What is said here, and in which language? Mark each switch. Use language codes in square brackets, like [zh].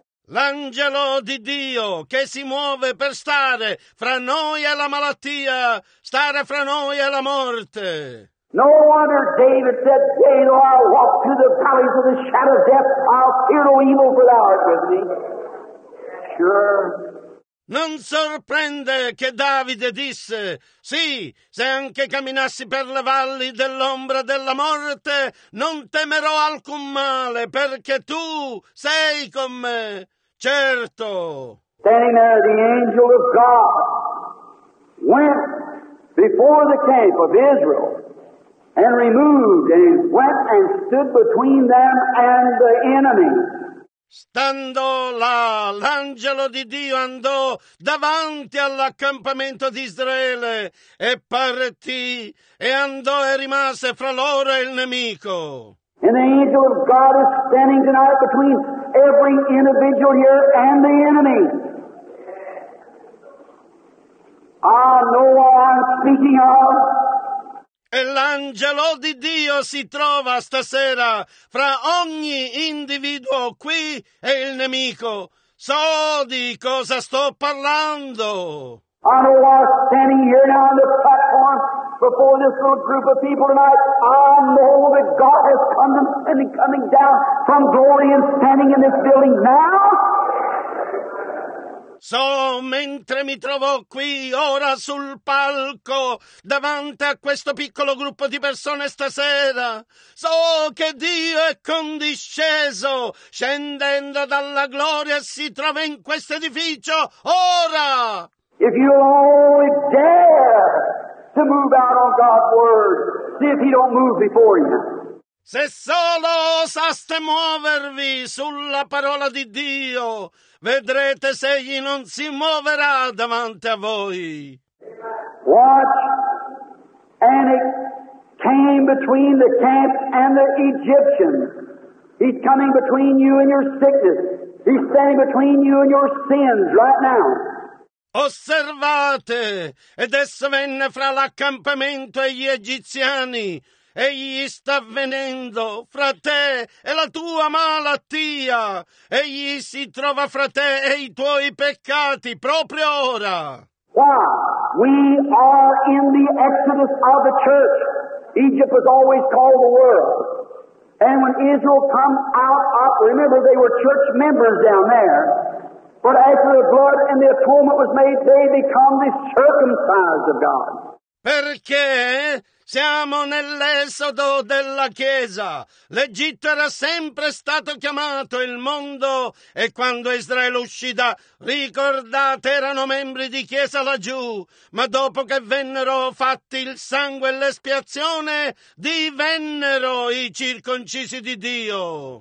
[it] L'angelo di Dio che si muove per stare fra noi e la malattia, stare fra noi e la morte. [en] No wonder David said, yea, though I walk through the valleys of the shadow of death, I'll fear no evil, for thou art with me. Sure. [it] Non sorprende che Davide disse, sì, se anche camminassi per le valli dell'ombra della morte, non temerò alcun male, perché tu sei con me. Certo. [en] Standing there, the angel of God went before the camp of Israel and removed and went and stood between them and the enemy. [it] Stando là, l'angelo di Dio andò davanti all'accampamento di Israele e partì e andò e rimase fra loro e il nemico. [en] And the angel of God is standing tonight between every individual here and the enemy. I know what I'm speaking of. [it] E l'angelo di Dio si trova stasera fra ogni individuo qui e il nemico. So di cosa sto parlando. [en] I know why I'm standing here now on this platform before this little group of people tonight. I know that God has condescending coming down from glory and standing in this building now. [it] So, mentre mi trovo qui ora sul palco davanti a questo piccolo gruppo di persone stasera, so che Dio è condisceso scendendo dalla gloria e si trova in questo edificio ora. [en] If you only dare to move out on God's word, see if He don't move before you. [it] Se solo osaste muovervi sulla parola di Dio, vedrete se Egli non si muoverà davanti a voi. [en] Watch, and it came between the camp and the Egyptians. He's coming between you and your sickness. He's standing between you and your sins right now. [it] Osservate, ed esso venne fra l'accampamento e gli egiziani. Egli sta venendo fra te e la tua malattia. Egli si trova fra te e i tuoi peccati proprio ora. [en] Why? We are in the exodus of the church. Egypt was always called the world. And when Israel come out, remember they were church members down there. But after the blood and the atonement was made, they become the circumcised of God. [it] Perché siamo nell'esodo della Chiesa. L'Egitto era sempre stato chiamato il mondo e quando Israele uscì da, ricordate, erano membri di Chiesa laggiù, ma dopo che vennero fatti il sangue e l'espiazione, divennero i circoncisi di Dio.